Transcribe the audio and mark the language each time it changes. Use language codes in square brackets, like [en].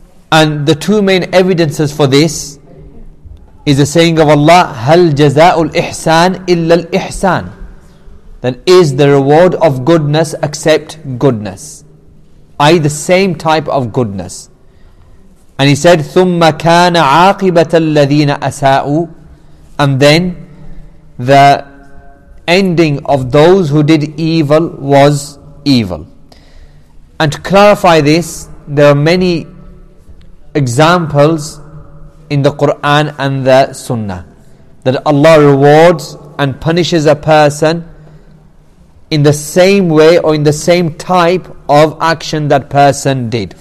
[en] And the two main evidences for this is the saying of Allah, هَلْ جَزَاءُ الْإِحْسَانِ إِلَّا الْإِحْسَانِ. That is the reward of goodness except goodness, i.e. the same type of goodness. [ar] And he said, ثُمَّ كَانَ عَاقِبَةَ الَّذِينَ أَسَاءُ. [en] And then the ending of those who did evil was evil. And to clarify this, there are many examples in the Quran and the Sunnah that Allah rewards and punishes a person in the same way or in the same type of action that person did.